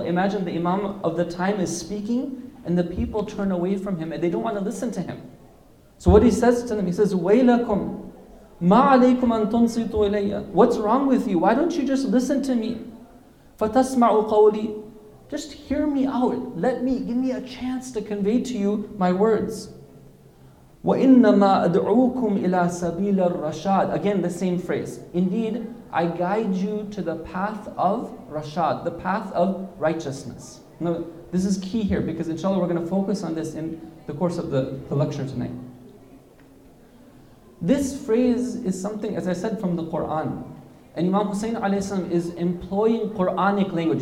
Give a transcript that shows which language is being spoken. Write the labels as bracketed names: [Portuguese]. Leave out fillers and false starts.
[English] Imagine the Imam of the time is speaking, and the people turn away from him, and they don't want to listen to him. So what he says to them, he says, [Arabic] وَيْلَكُمْ مَا عَلَيْكُمْ أَن تُنْصِتُوا إِلَيَّ, [English] what's wrong with you? Why don't you just listen to me? [Arabic] فَتَسْمَعُوا قَوْلِي, [English] just hear me out. Give me a chance to convey to you my words. [Arabic] وَإِنَّمَا أَدْعُوكُمْ إِلَى سَبِيلَ الرَّشَادِ, [English] again the same phrase. Indeed, I guide you to the path of rashad, the path of righteousness. Now, this is key here, because inshallah we're going to focus on this in the course of the lecture tonight. This phrase is something, as I said, from the Qur'an. And Imam Hussein alayhi salam is employing Qur'anic language.